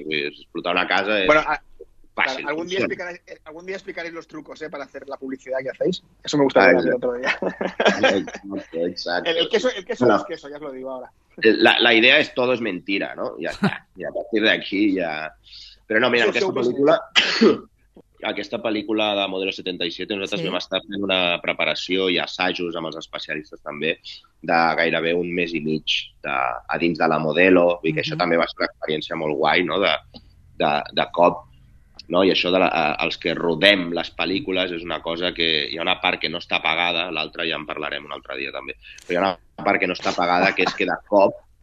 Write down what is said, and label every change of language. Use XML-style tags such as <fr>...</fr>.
<ca>Explotar una casa és fàcil.</ca> <es>Bueno, algun dia explicaré los trucos, per hacer la publicidad que hacéis. Eso me gustaría decir otro día. Exacto. El queso no es queso, ya os lo digo ahora. La idea es todo es mentira, ¿no? Ya está. Y a partir de aquí ya...</es> <ca>Però no, mira, aquesta pel·lícula de Modelo 77, nosaltres vam estar fent una preparació i assajos amb els especialistes també de gairebé un mes i mig a dins de la Modelo, i que això també va ser una experiència molt guai, no?, de cop, no?, i això dels que rodem les pel·lícules és una cosa que hi ha una part que no està pagada, l'altra ja en parlarem un altre dia també, però hi ha una part que no està pagada, que és que de cop,</ca>